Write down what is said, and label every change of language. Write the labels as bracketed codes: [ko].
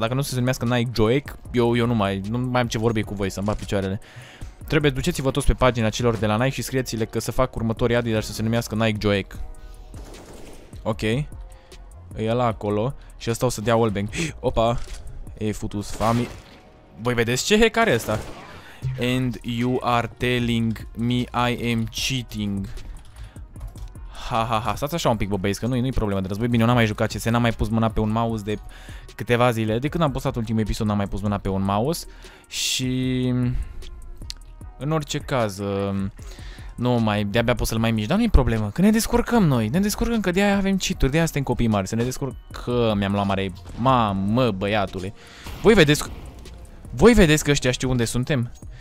[ro] Dacă nu o să se numească Nike Joek, eu nu mai am ce vorbi cu voi, să-mi bat picioarele. Trebuie, duceți-vă toți pe pagina celor de la Nike și scrieți-le că să fac următorii Adidas să se numească Nike Joek. Ok. E ăla acolo și ăsta o să dea wallbang. Opa. E futus fami. Voi vedeți ce hack are ăsta? [en] And you are telling me I am cheating. Ha ha ha. [ro] Stați așa un pic, bă, băieți, că nu-i problemă de război. Bine, eu n-am mai jucat CS, n-am mai pus mâna pe un mouse de câteva zile. De când am postat ultimul episod n-am mai pus mâna pe un mouse. Și în orice caz nu mai, de-abia pot să-l mai mici, dar nu-i problemă, că ne descurcăm noi, ne descurcăm, că de-aia avem cheat-uri, de-aia suntem copii mari, să ne descurcăm, mi-am luat mare, mamă, băiatule. Voi vedeți că ăștia știu unde suntem?